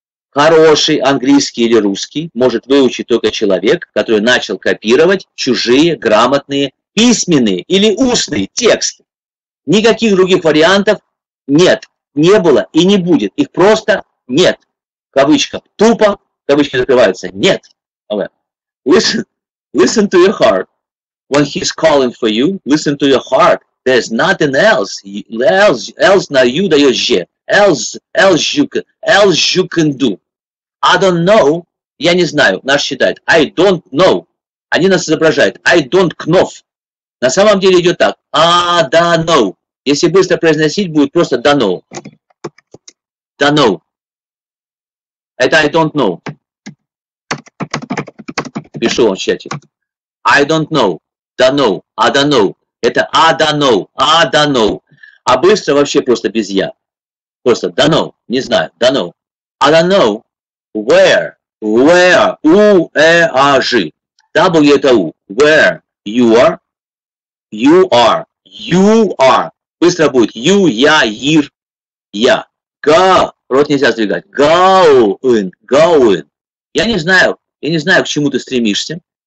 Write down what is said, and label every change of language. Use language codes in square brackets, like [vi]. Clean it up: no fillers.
[ru] Хороший английский или русский может выучить только человек, который начал копировать чужие, грамотные, письменные или устные тексты. Никаких других вариантов нет, не было и не будет. Их просто нет. Кавычка тупо, кавычки закрываются, нет. [en] Listen, listen to your heart. When he's calling for you, listen to your heart. There's nothing else. [ru] Else на you дает же. [en] Else you can do. I don't know. [ru] Я не знаю. Наш считает. [en] I don't know. [ru] Они нас изображают. I don't know. На самом деле идет так. [en] I don't know. [ru] Если быстро произносить, будет просто [en] don't know. Don't know. Это I don't know. [ru] Пишу вам в чате. [en] I don't know. Don't know. I don't know. Это I don't know. I don't know. [ru] А быстро вообще просто без я. [en] Просто don't know. [ru] Не знаю. [en] Don't know. I don't know. [ru] Where, where, U, E, A, G, W, это U, where, you are, you are, you are, быстро будет, you, я, ир, я, go, рот нельзя сдвигать, going, going, я не знаю, к чему ты стремишься,